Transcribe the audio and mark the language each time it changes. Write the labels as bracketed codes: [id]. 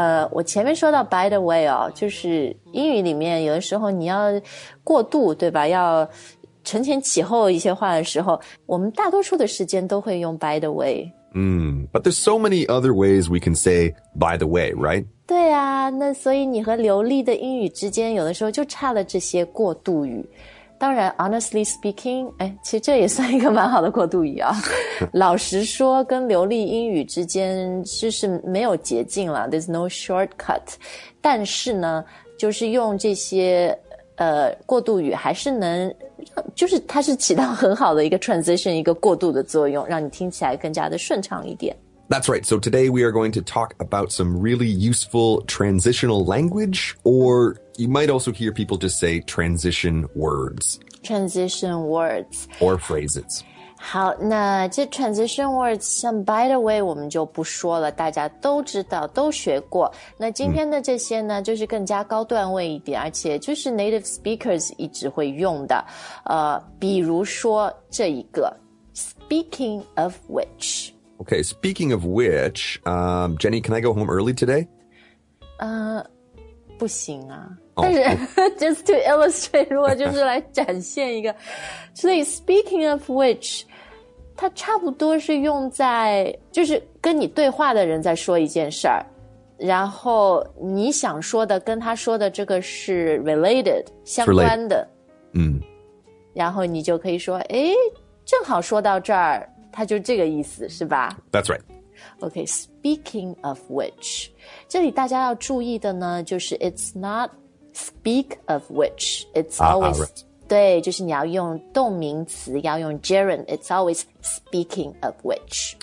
[zh] 我前面说到 by the way 哦，就是英语里面有的时候你要过渡，对吧？要承前启后一些话的时候，我们大多数的时间都会用 by the way。 [en] But there's so many other ways we can say by the way, right? [zh] 对啊，那所以你和流利的英语之间有的时候就差了这些过渡语。当然 [en] honestly speaking, [zh] 哎，其实这也算一个蛮好的过渡语啊。老实说跟流利英语之间就是没有捷径了 , [en] there's no shortcut。 [zh] 但是呢就是用这些过渡语还是能就是它是起到很好的一个 transition, 一个过渡的作用让你听起来更加的顺畅一点。 [en] That's right, so today we are going to talk about some really useful transitional language, or you might also hear people just say transition words. Transition words. Or phrases. [zh] 好，那这 transition words 像 by the way 我们就不说了，大家都知道，都学过。那今天的这些呢，就是更加高段位一点，而且就是 native speakers 一直会用的。比如说这一个 speaking of which。 [en] Okay, speaking of which, Jenny, can I go home early today? [zh] 不行啊。但是 [en] just to illustrate, [zh] 如果就是来展现一个。所以 speaking of which, 它差不多是用在就是跟你对话的人在说一件事儿。然后你想说的跟他说的这个是 related, 相关的。然后你就可以说诶正好说到这儿。它就这个意思是吧 [en] That's right. Okay, speaking of which, [zh] 这里大家要注意的呢就是 [en] it's not speak of which, it's always,、 right. [zh] 对就是你要用动名词要用 gerund, [en] it's always speaking of which.